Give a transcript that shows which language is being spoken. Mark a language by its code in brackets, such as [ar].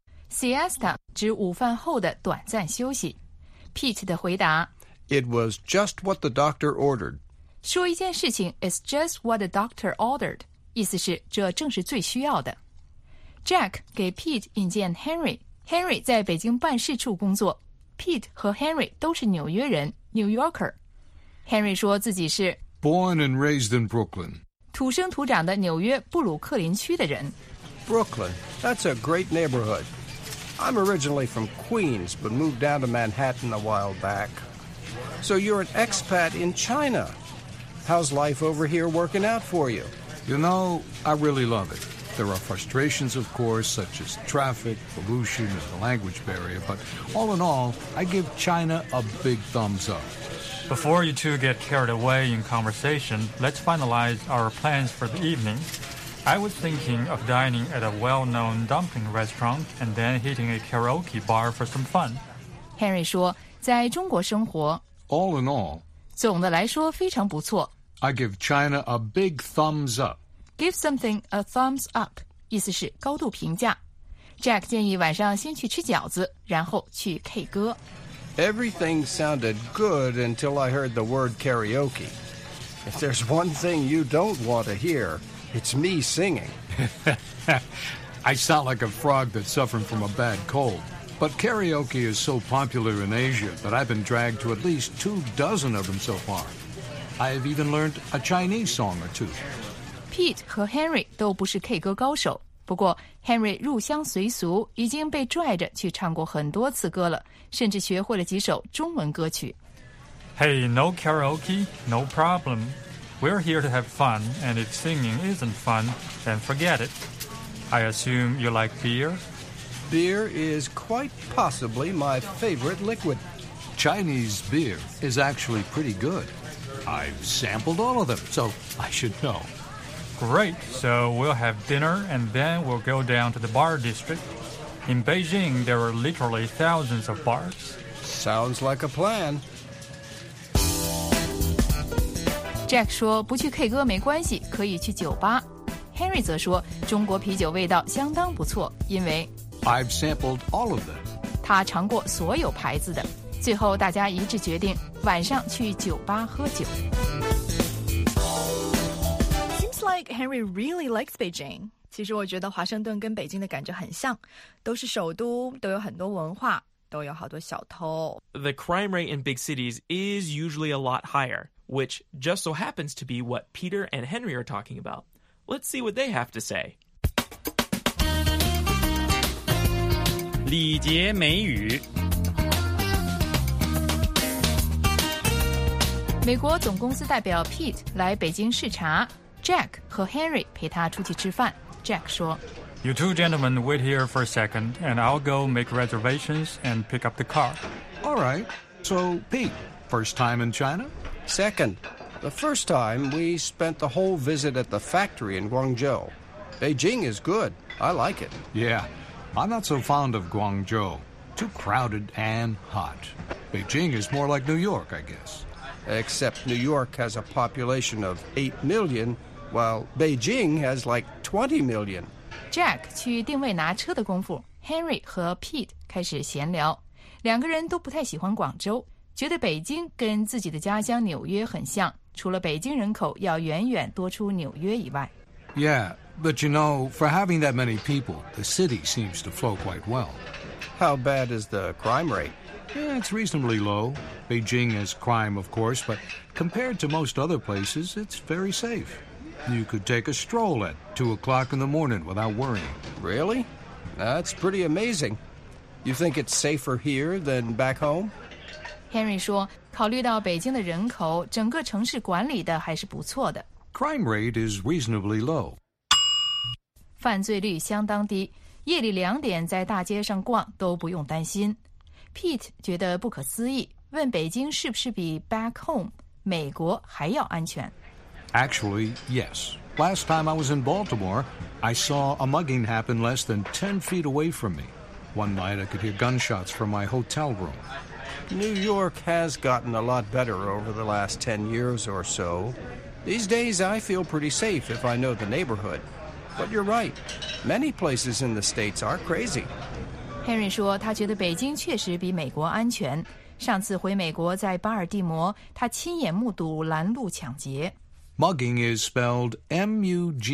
[zh] Siesta 指午饭后的短暂休息。 Pete 的回答 [en] It was just what the doctor ordered. [zh] 说一件事情 [en] is just what the doctor ordered. [zh] 意思是这正是最需要的。 Jack 给 Pete 引荐 Henry. Henry 在北京办事处工作。 Pete 和 Henry 都是纽约人 [en] New Yorker. [zh] Henry 说自己是 [en] Born and raised in Brooklyn. [zh] 土生土长的纽约布鲁克林区的人。 [en] Brooklyn, that's a great neighborhood. I'm originally from Queens, but moved down to Manhattan a while back. So you're an expat in China. How's life over here working out for you? You know, I really love it. There are frustrations, of course, such as traffic, pollution, and the language barrier, but all in all, I give China a big thumbs up. Before you two get carried away in conversation, let's finalize our plans for the evening. I was thinking of dining at a well-known dumpling restaurant and then hitting a karaoke bar for some fun. [zh] Henry 说在中国生活 [en] All in all, [zh] 总的来说非常不错 [en] I give China a big thumbs up. Give something a thumbs up, [zh] 意思是高度评价。 Jack 建议晚上先去吃饺子然后去 K 歌。 [en] Everything sounded good until I heard the word karaoke. If there's one thing you don't want to hear... It's me singing. I sound like a frog that's suffering from a bad cold. But karaoke is so popular in Asia that I've been dragged to at least 24 of them so far. I have even learned a Chinese song or two. Pete 和 Henry 都不是 K 歌高手。不过 Henry 入乡随俗已经被拽着去唱过很多次歌了甚至学会了几首中文歌曲。 Hey, no karaoke, no problem.We're here to have fun, and if singing isn't fun, then forget it. I assume you like beer? Beer is quite possibly my favorite liquid. Chinese beer is actually pretty good. I've sampled all of them, so I should know. Great. So we'll have dinner and then we'll go down to the bar district. In Beijing, there are literally thousands of bars. Sounds like a plan. [zh] Jack 说不去 K 歌没关系，可以去酒吧。Henry 则说中国啤酒味道相当不错，因为 [en] I've sampled all of them. [zh] 他尝过所有牌子的。最后大家一致决定晚上去酒吧喝酒。 [en] Seems like Henry really likes Beijing. [zh] 其实我觉得华盛顿跟北京的感觉很像，都是首都，都有很多文化，都有好多小偷。 [en] The crime rate in big cities is usually a lot higher. Which just so happens to be what Peter and Henry are talking about. Let's see what they have to say. [zh] 礼节美语。美国总公司代表 Pete 来北京视察 ，Jack 和 Henry 陪他出去吃饭。 Jack 说 [en] ，You two gentlemen wait here for a second, and I'll go make reservations and pick up the car. All right. So Pete, first time in China? Second, the first time we spent the whole visit at the factory in Guangzhou. Beijing is good. I like it. Yeah, I'm not so fond of Guangzhou. Too crowded and hot. Beijing is more like New York, I guess. Except New York has a population of 8 million, while Beijing has like 20 million. [zh] Jack 去定位拿车的功夫 ,Henry 和 Pete 开始闲聊。两个人都不太喜欢广州。觉得北京跟自己的家乡纽约很像，除了北京人口要远远多出纽约以外。 [en] Yeah, but you know, for having that many people, the city seems to flow quite well. How bad is the crime rate? Yeah, it's reasonably low. Beijing has crime, of course, but compared to most other places, it's very safe. You could take a stroll at 2 o'clock in the morning without worrying. Really? That's pretty amazing. You think it's safer here than back home? [zh] Henry 说考虑到北京的人口整个城市管理的还是不错的。 [en] Crime rate is reasonably low. [zh] 犯罪率相当低，夜里两点在大街上逛都不用担心。 Pete 觉得不可思议，问北京是不是比 [en] back home, [zh] 美国还要安全。 [en] Actually, yes. Last time I was in Baltimore, I saw a mugging happen less than 10 feet away from me. One night I could hear gunshots from my hotel room. New York has gotten a lot better over the last 10 years or so. These days, I feel pretty safe if I know the neighborhood. But you're right. Many places in the States are crazy. [zh] Henry 说他觉得北京确实比美国安全。上次回美国在巴尔的摩，他亲眼目睹拦路抢劫。 [en] Mugging is spelled M-U-G-G-I-N-G.